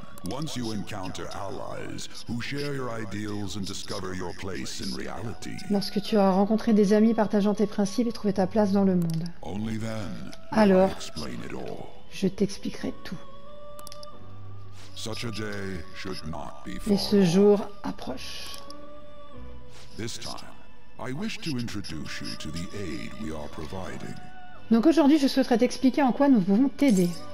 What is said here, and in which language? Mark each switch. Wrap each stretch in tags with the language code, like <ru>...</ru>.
<en>Once you encounter allies who share your ideals and discover your place in reality.</en> <fr>Lorsque tu auras rencontré des amis partageant tes principes et trouvé ta place dans le monde.</fr> <en>Only then.</en> <fr>Alors, je t'expliquerai tout.</fr> <en>Such a day should not be far.</en> <fr>Et ce jour approche.</fr> <en>This time, I wish to introduce you to the aid we are providing.</en> <fr>Donc aujourd'hui, je souhaiterais t'expliquer en quoi nous pouvons t'aider.</fr>